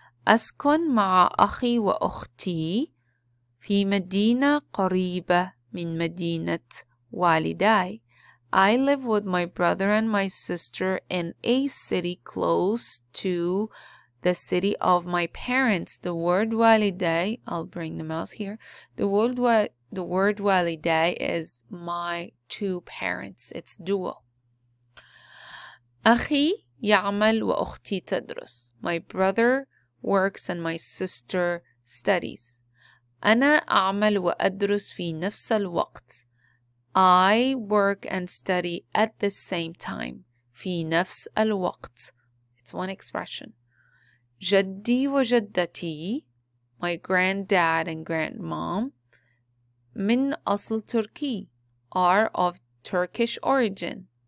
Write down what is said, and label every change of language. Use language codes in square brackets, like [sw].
[ar] أسكن مع أخي وأختي في مدينة قريبة من مدينة والداي. [en] I live with my brother and my sister in a city close to the city of my parents. The word والداي, I'll bring the mouse here. The word والداي is my two parents. It's dual. [ar] أخي يعمل وأختي تدرس. [en] My brother works and my sister studies. [ar] أنا أعمل وأدرس في نفس الوقت. [en] I work and study at the same time. [ar] في نفس الوقت. [en] It's one expression. [ar] جدي وجدتي. [en] My granddad and grandmom. [ar] من أصل تركي. [en] Are of Turkish origin.